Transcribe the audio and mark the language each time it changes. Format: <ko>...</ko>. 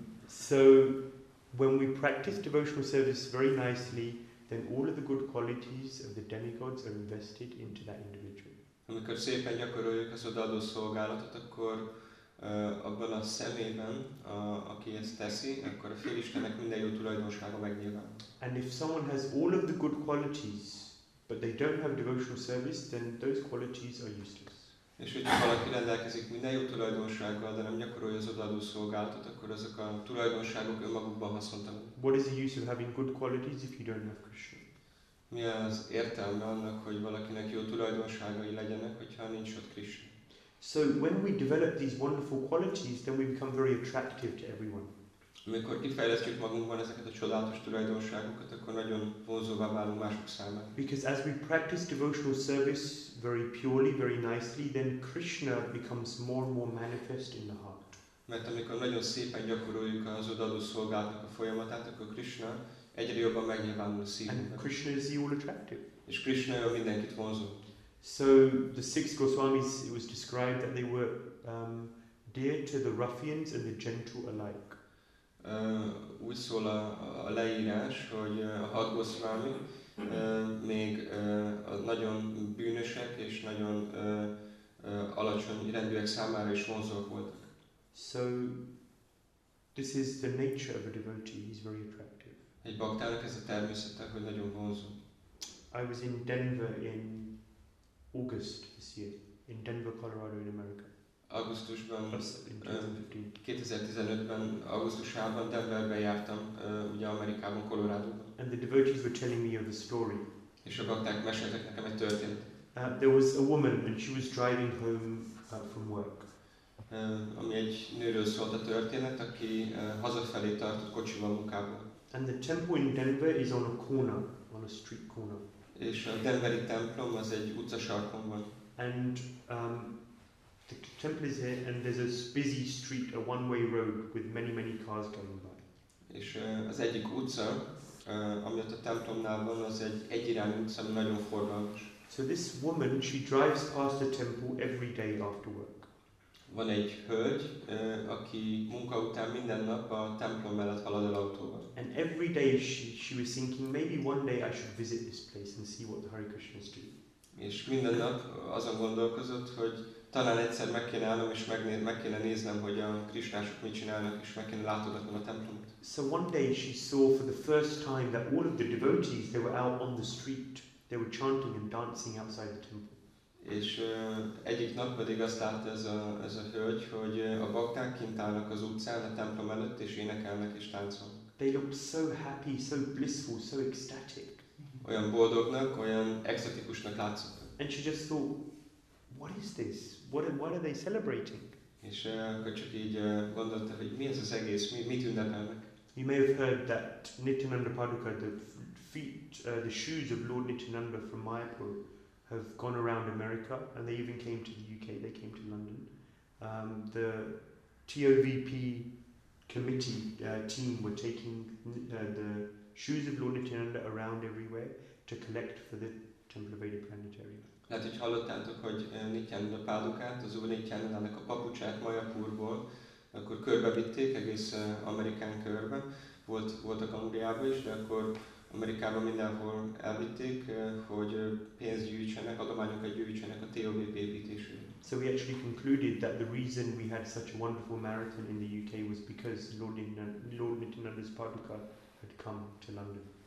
<en>So when we practice devotional service very nicely, then all of the good qualities of the demigods are invested into that individual.</en> <hu>Amikor szépen gyakoroljuk az odaadó szolgálatot, akkor abban a személyben, aki ezt teszi, akkor a félistennek minden jó tulajdonsága megnyilván.</hu> <en>And if someone has all of the good qualities, but they don't have devotional service, then those qualities are useless.</en> <hu>És hogyha valaki rendelkezik minden jó tulajdonsággal, de nem gyakorolja az odaadó szolgálatot, akkor ezek a tulajdonságok önmagukban haszontalanok.</hu> <en>What is the use of having good qualities if you don't have Krishna?</en> <hu>Mi az értelme annak, hogy valakinek jó tulajdonságai legyenek, hogyha nincs ott Krishna?</hu> <en>So when we develop these wonderful qualities, then we become very attractive to everyone.</en> <hu>Amikor kifejlesztjük magunkban ezeket a csodálatos tulajdonságokat, akkor nagyon vonzóvá válunk mások számára.</hu> <en>Because as we practice devotional service very purely, very nicely, then Krishna becomes more and more manifest in the heart.</en> <hu>Mert amikor nagyon szépen gyakoroljuk az odaadó szolgálatnak a folyamatát, akkor Krishna egyre jobban megnyilvánul a szívünkben.</hu> <en>And Krishna is the all attractive.</en> <hu>És Krishna jó mindenkit vonzó.</hu> <en>So the six Goswamis, it was described that they were dear to the ruffians and the gentle alike.</en> <hu>Úgy szól a leírás, hogy a hat Goswami még nagyon bűnösek és nagyon alacsony rendűek számára is vonzók voltak.</hu> <en>So this is the nature of a devotee, he's very attractive.</en> <hu>Egy baktának ez a természete, hogy nagyon vonzó.</hu> <en>I was in Denver in August this year, in Denver, Colorado, in America.</en> <hu>Augustusban, 2015-ben, augusztusában Denverben jártam, ugye Amerikában, Colorado-ban.</hu> <en>And the devotees were telling me of a story.</en> <hu>És a bakták meséltek nekem egy történetet.</hu> <en>There was a woman and she was driving home from work.</en> <hu>Ami egy nőről szólt a történet, aki hazafelé tartott kocsival munkából.</hu> <en>And the temple in Denver is on a corner, on a street corner.</en> <hu>És a denveri templom az egy utcasarkon van.</hu> <en>And the temple is here and there's a busy street, a one-way road with many, many cars going by.</en> <hu>És az egyik utca, ami ott a templomnál van, az egy egyirányú utca, ami nagyon forgalmas.</hu> <en>So this woman, she drives past the temple every day after work.</en> <hu>Van egy hölgy, aki munka után minden nap a templom mellett halad el autóval.</hu> <en>And every day she was thinking, maybe one day I should visit this place and see what the Hare Krishnas do.</en> <hu>És minden nap azon gondolkozott, hogy talán egyszer meg kéne állnom és meg kéne néznem, hogy a krisnások mit csinálnak, és meg kéne látogatnom a templomot.</hu> <en>So one day she saw for the first time that all of the devotees, they were out on the street. They were chanting and dancing outside the temple.</en> <hu>És egyik nap pedig azt látta ez a hölgy, hogy a bakták kint állnak az utcán, a templom előtt, és énekelnek és táncolnak.</hu> <en>They looked so happy, so blissful, so ecstatic.</en> <hu>Olyan boldognak, olyan ecstatikusnak látszottak.</hu> <en>And she just thought, what is this? What are they celebrating?</en> <hu>És akkor csak így gondolta, hogy mi ez az egész, mit ünnepelnek?</hu> <en>You may have heard that Nityananda Paduka, the feet, the shoes of Lord Nityananda from Mayapur, have gone around America, and they even came to the UK, they came to London. The TOVP committee team were taking the shoes of Lord Nityananda around everywhere to collect for the Temple of Veda Planetarium.</en> <hu>Lehet, hogy hallottátok, hogy Nityananda Pádukát, az Úr Nityanandának a papucsát Mayapurból, akkor körbevitték egész Amerikán körbe, voltak Angliában is, de akkor Amerikában mindenhol elvitték, hogy pénzt gyűjtsenek, adományokat gyűjtsenek a TOVP építésére.</hu> <en>So we actually concluded that the reason we had such a wonderful marathon in the UK was because Lord Nityananda's Paduka had come to London.</en>